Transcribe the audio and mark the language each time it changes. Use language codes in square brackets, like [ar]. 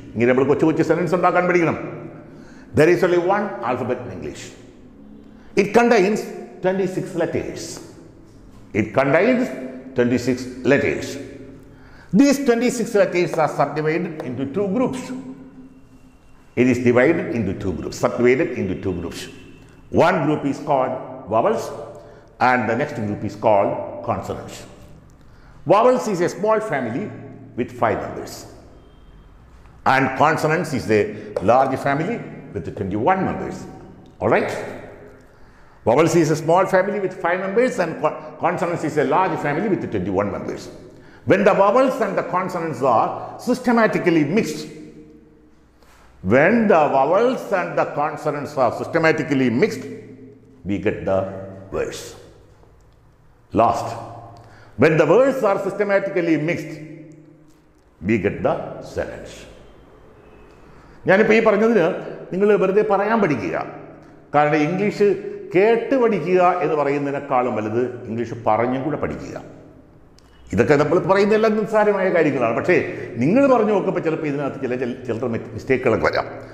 [ml] ഇങ്ങനെ നമ്മൾ കൊച്ചു കൊച്ചു സെൻറ്റൻസ് ഉണ്ടാക്കാൻ പഠിക്കണം. [en] There is only one alphabet in English. It contains 26 letters. It contains 26 letters. These 26 letters are subdivided into two groups. It is divided into two groups, subdivided into two groups. One group is called vowels and the next group is called consonants. Vowels is a small family with 5 members and consonants is a large family with 21 members. All right? Vowels is a small family with 5 members and consonants is a large family with 21 members. When the vowels and the consonants are systematically mixed, when the vowels and the consonants are systematically mixed, we get the words. Last, when the words are systematically mixed, we get the sentence. [ml] ഞാനിപ്പോൾ ഈ പറഞ്ഞതിന് നിങ്ങൾ വെറുതെ പറയാൻ പഠിക്കുക, കാരണം English കേട്ട് പഠിക്കുക എന്ന് പറയുന്നതിനേക്കാളും വലുത് ഇംഗ്ലീഷ് പറഞ്ഞും കൂടെ പഠിക്കുക. ഇതൊക്കെ നമ്മൾ പറയുന്നതെല്ലാം നിസ്സാരമായ കാര്യങ്ങളാണ്, പക്ഷേ നിങ്ങൾ പറഞ്ഞു നോക്കുമ്പോൾ ചിലപ്പോൾ ഇതിനകത്ത് ചിലർ മിസ്റ്റേക്കുകളൊക്കെ വരാം.